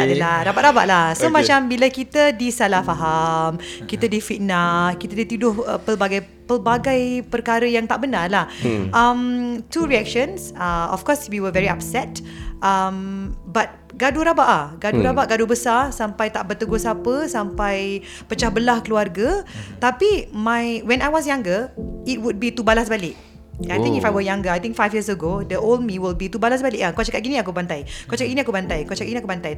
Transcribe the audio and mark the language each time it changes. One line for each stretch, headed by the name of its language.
Malay: Takdelah, rabak-rabak lah. So macam bila kita disalah faham, kita difitnah, kita dituduh pelbagai perkara yang tak benar lah.
English: Two reactions, of course we were very upset, but
Malay: gaduh rabak ah. Gaduh rabak, gaduh besar, sampai tak bertegur siapa, sampai pecah belah keluarga. Tapi
English: when I was younger, it would be to
Malay: balas balik.
English: I think if I were younger, I think 5 years ago, the old me will be to
Malay: balas balik. Kau cakap gini aku bantai, kau cakap ini aku bantai, kau cakap ini aku bantai.